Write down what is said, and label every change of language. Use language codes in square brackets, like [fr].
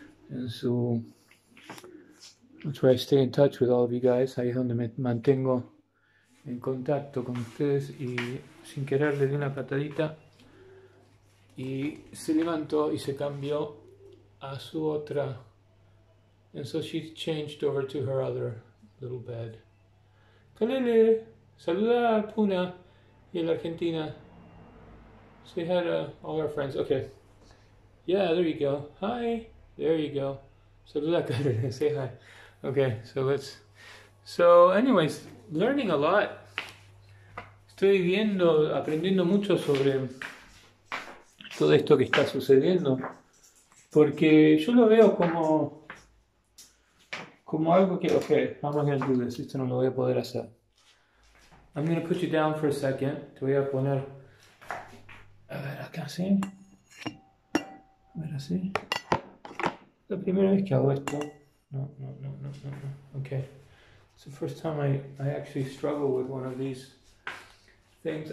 [en] And so that's why I stay in touch with all of you guys. [es] Ahí es donde me mantengo en contacto con ustedes. Y sin querer le di una patadita. Y se levantó y se cambió a su otra. [en] And so she's changed over to her other little bed. [es] Kalele, saluda a Puna y a la Argentina. [en] Say hi to all our friends. Okay. Yeah, there you go. Hi. There you go. [es] Saluda a Kalele, [en] say hi. Okay, so anyways, learning a lot. [es] Estoy viendo, aprendiendo mucho sobre todo esto que está sucediendo. Porque yo lo veo como algo que, ok, vamos a hacer esto, no lo voy a poder hacer. [en] I'm gonna put you down for a second. [es] Te voy a poner. A ver, acá sí. A ver, así. La primera vez que hago esto. No. Okay. [en] It's the first time I actually struggle with one of these things.